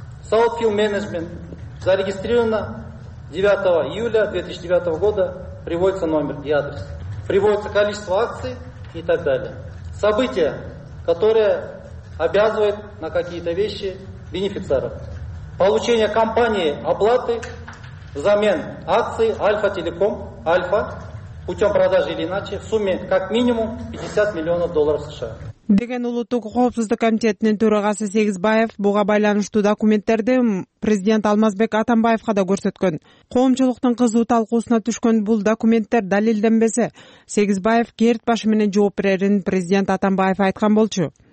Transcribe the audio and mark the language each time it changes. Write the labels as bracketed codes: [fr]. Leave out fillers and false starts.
[ru] Southfield Management зарегистрировано 9 июля 2009 года, приводится номер и адрес, приводится количество акций и так далее. События, которые обязывают на какие-то вещи бенефициаров. Получение компании оплаты взамен акций Альфа-Телеком, Альфа, путем продажи или иначе, в сумме как минимум 50 миллионов долларов США. [ky] Деген улуттук коопсуздук комитетинин төрагасы Сегизбаев буга байланыштуу документтерди президент Алмазбек Атамбаевка да көрсөткөн. Коомчулуктун кызуу талкуусуна түшкөн бул документтер далилденбесе, Сегизбаев керт башы менен жооп берерин президент Атамбаев айткан болчу.